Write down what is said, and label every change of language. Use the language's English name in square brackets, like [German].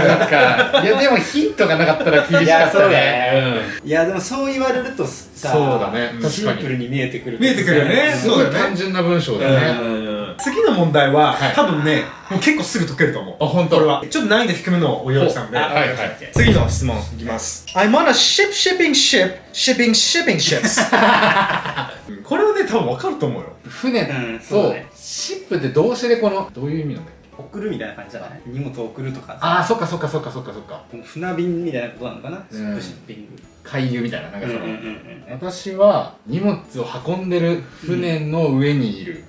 [Japanese] なんか、いや、でもヒントがなかったら厳しかったね。いや、そうだね。うん。いや、でもそう言われるとさ、そうだね。シンプルに見えてくる、ね。見えてくるよね。そうだね。すごい単純な文章だね。うん。次の問題は、はい、多分ね、もう結構すぐ解けると思う。あ、本当。これはちょっと難易度低めのを用意したんで、はいはい、次の質問いきます。 [English] I'm on a ship shipping ship shipping shipping ships。 [Japanese] これはね、多分分かると思うよ。船、うん、そうだね。シップって動詞でこの、どういう意味なんだっけ。送るみたいな感じじゃない？荷物を送るとか。あー、そっかそっかそっかそっかそっか。船便みたいなことなのかな。シップシッピング海遊みたいな、なんかその、うんうんうんうん、私は荷物を運んでる船の上にいる、